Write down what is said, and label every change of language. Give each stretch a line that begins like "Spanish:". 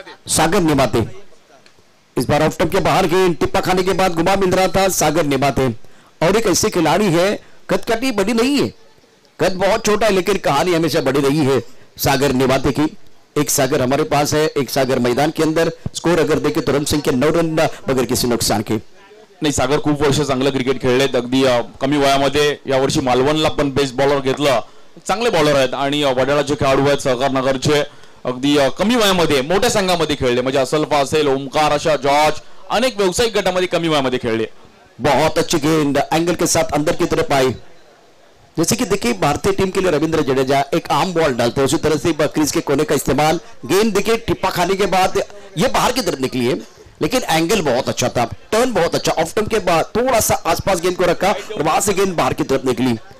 Hindi: सागर निभाते इस बार off stump के बाहर गए, टिप्पा खाने के बाद घुमा मिंद्रा था. सागर निभाते और एक ऐसे खिलाड़ी है, कद काटी बड़ी नहीं है, कद बहुत छोटा है लेकिन कहानी हमेशा बड़ी रही है सागर निभाते की. एक सागर हमारे पास है, एक सागर मैदान के अंदर. स्कोर अगर देखे तो रन संख्या 9 रन बगैर किसी नुकसान के.
Marathi: नाही, सागर खूप वर्ष चांगलं क्रिकेट खेळलेत अगदी कमी वयामध्ये. यावर्षी मालवणला पण बेस्ट बॉलर घेतलं, चांगले बॉलर आहेत. आणि वडाळाचे खेळाडू आहेत सहकारनगरचे, अगदी कमी वयामध्ये मोठ्या संघामध्ये खेळले, म्हणजे असलफा असेल, ओमकार, अशा जॉर्ज, अनेक व्यावसायिक गटामध्ये कमी वयामध्ये खेळले.
Hindi: बहुत अच्छी गेंद अँगल के साथ अंदर की तरफ आई. जैसे कि देखिए भारतीय टीम के लिए रविंद्र जडेजा एक आम बॉल डालते हैं, उसी तरह से क्रीज के कोने का इस्तेमाल. गेंद देखिए टिप्पा खाने के बाद ये बाहर की तरफ निकली है लेकिन एंगल बहुत अच्छा था, टर्न बहुत अच्छा. ऑफ टर्न के बाद थोड़ा सा आसपास गेंद को रखा और वहां से गेंद बाहर की तरफ निकली.